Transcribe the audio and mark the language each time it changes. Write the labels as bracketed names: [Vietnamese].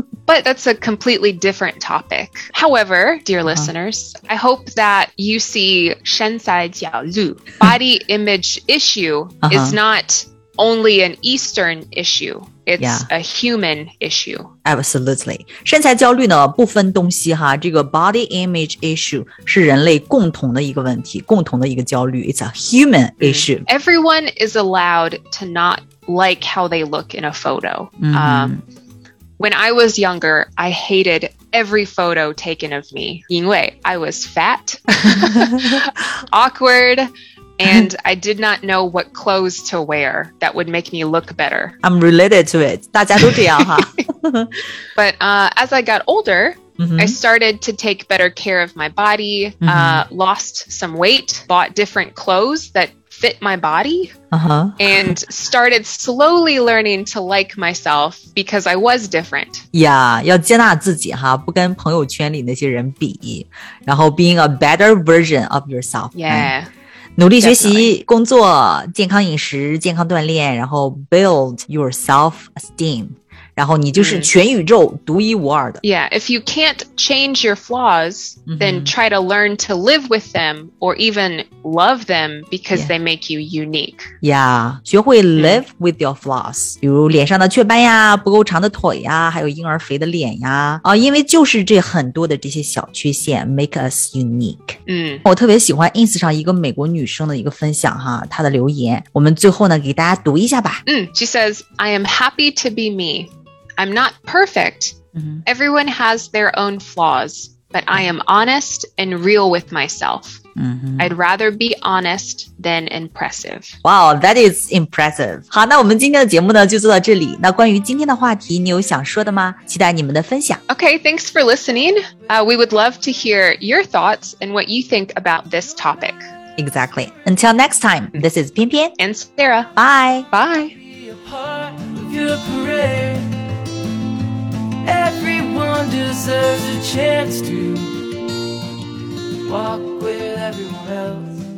[English] But that's a completely different topic. However, dear、uh-huh. listeners, I hope that you see [Chinese] 身材焦虑 [English] body image issue、 uh-huh. is not only an Eastern issue. It's、 yeah. a human issue. Absolutely. [Chinese] 身材焦虑呢不分东西哈这个 body image issue 是人类共同的一个问题共同的一个焦虑 [English] It's a human issue.、 Mm. Everyone is allowed to not like how they look in a photo.、 Mm-hmm. When I was younger, I hated every photo taken of me. 因为 I was fat, awkward, and I did not know what clothes to wear that would make me look better. I'm related to it. [Chinese] 大家都这样哈。 [English] But、as I got older,、 mm-hmm. I started to take better care of my body,、 mm-hmm. Lost some weight, bought different clothes that fit my body、 uh-huh. and started slowly learning to like myself because I was different. [Chinese] Yeah, 要接纳自己哈，不跟朋友圈里那些人比，然后 [English] being a better version of yourself. Yeah.、 Right? [Chinese] 努力学习、Definitely. 工作健康饮食健康锻炼然后 [English] build your self-esteem [Chinese] 然后你就是全宇宙独一无二的 [English] Yeah, if you can't change your flaws、mm-hmm. then try to learn to live with them or even love them because、yeah. they make you unique Yeah, [Chinese] 学会 [English] live、mm-hmm. [Chinese] with your flaws 比如脸上的雀斑呀不够长的腿呀还有婴儿肥的脸呀、啊、因为就是这很多的这些小缺陷 [English] make us unique 嗯、 [Chinese] 我特别喜欢 ins 上一个美国女生的一个分享哈她的留言我们最后呢给大家读一下吧、 [English] 嗯、She says I am happy to be me I'm not perfect、 mm-hmm. Everyone has their own flaws But I am honest and real with myself、 mm-hmm. I'd rather be honest than impressive Wow, that is impressive [Chinese] 好那我们今天的节目呢就做到这里那关于今天的话题你有想说的吗期待你们的分享 [English] Okay, thanks for listening、We would love to hear your thoughts and what you think about this topic Exactly Until next time, this is Pian Pian And Sarah Bye Bye Everyone deserves a chance to walk with everyone else